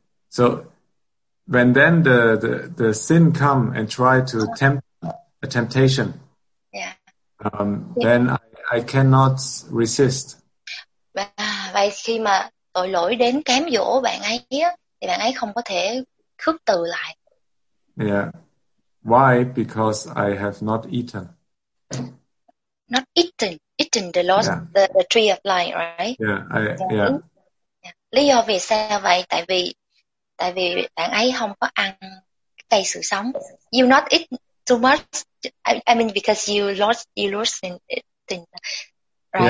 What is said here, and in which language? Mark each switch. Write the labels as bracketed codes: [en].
[en] So when then the sin come and try to tempt a temptation, then I cannot resist. [vi] Vậy khi mà tội lỗi đến cám dỗ bạn ấy thì bạn ấy không có thể khước từ lại. [en] Yeah. Why? Because I have not eaten. Not eaten. Eaten the Lord, yeah. the tree of life, right? Yeah. [vi] Lý do vì sao vậy? Tại vì bạn ấy không có ăn cây sự sống. [en] You not eat too much. I mean because you lost in eating, right?